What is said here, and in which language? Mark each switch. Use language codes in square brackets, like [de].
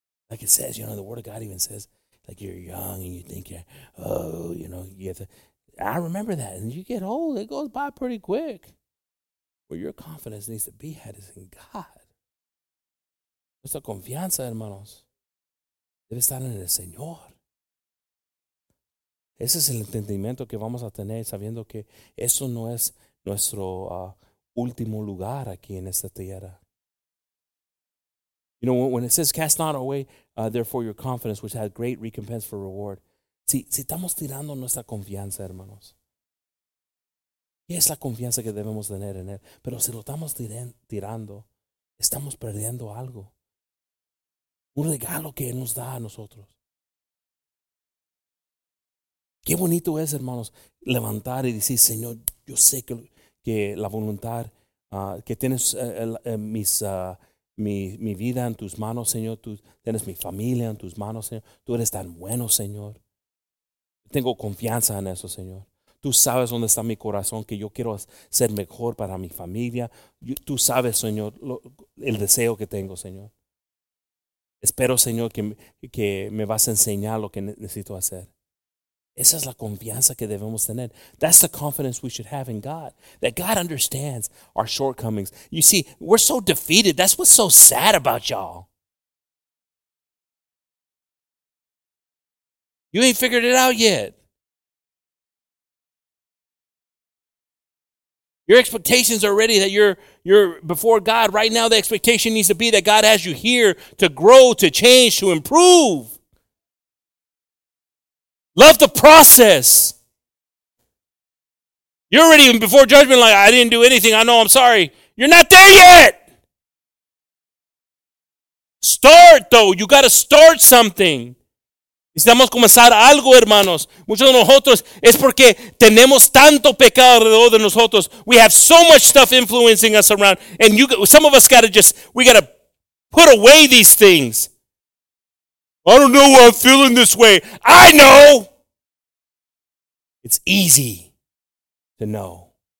[en] Like it says, you know, the Word of God even says, like you're young and you think you're, oh, you know, you have to. I remember that. And you get old, it goes by pretty quick. Where your confidence needs to be had is in God. [es] Nuestra confianza, hermanos, debe estar en el Señor. Ese es el entendimiento que vamos a tener sabiendo que eso no es nuestro último lugar aquí en esta tierra. [en] You know, when it says, cast not away, therefore, your confidence, which had great recompense for reward. [es] Si estamos tirando nuestra confianza, hermanos, ¿qué es la confianza que debemos tener en Él? Pero si lo estamos tirando, estamos perdiendo algo. Un regalo que Él nos da a nosotros. Qué bonito es, hermanos, levantar y decir, Señor, yo sé que la voluntad, que tienes mi vida en tus manos, Señor. Tú tienes mi familia en tus manos, Señor. Tú eres tan bueno, Señor. Tengo confianza en eso, Señor. Tú sabes dónde está mi corazón, que yo quiero ser mejor para mi familia. Tú sabes, Señor, el deseo que tengo, Señor. Espero, Señor, que me vas a enseñar lo que necesito hacer. Esa es la confianza que debemos tener. [en] That's the confidence we should have in God. That God understands our shortcomings. You see, we're so defeated. That's what's so sad about y'all. You ain't figured it out yet. Your expectations are ready that you're before God. Right now, the expectation needs to be that God has you here to grow, to change, to improve. Love the process. You're already before judgment like, I didn't do anything. I know, I'm sorry. You're not there yet. Start, though. You got to start something. [es] Necesitamos comenzar algo, hermanos. Muchos de nosotros es porque tenemos tanto pecado alrededor de nosotros. [en] We have so much stuff influencing us around. And some of us got to put away these things. I don't know why I'm feeling this way. I know. It's easy to know.